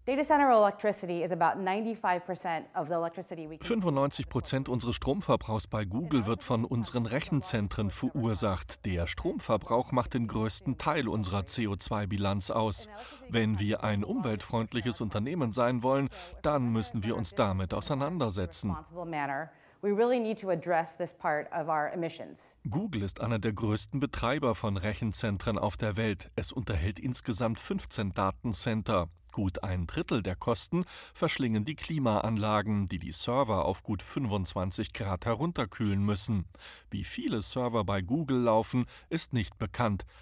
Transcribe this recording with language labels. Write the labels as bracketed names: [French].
[German] 95% unseres Stromverbrauchs bei Google wird von unseren Rechenzentren verursacht. Der Stromverbrauch macht den größten Teil unserer CO2-Bilanz aus. Wenn wir ein umweltfreundliches Unternehmen sein wollen, dann müssen wir uns damit auseinandersetzen. [English] We really need to address this part of our emissions. [German] Google ist einer der größten Betreiber von Rechenzentren auf der Welt. Es unterhält insgesamt 15 Datencenter. Gut ein Drittel der Kosten verschlingen die Klimaanlagen, die Server auf gut 25 Grad herunterkühlen müssen. Wie viele Server bei Google laufen, ist nicht bekannt.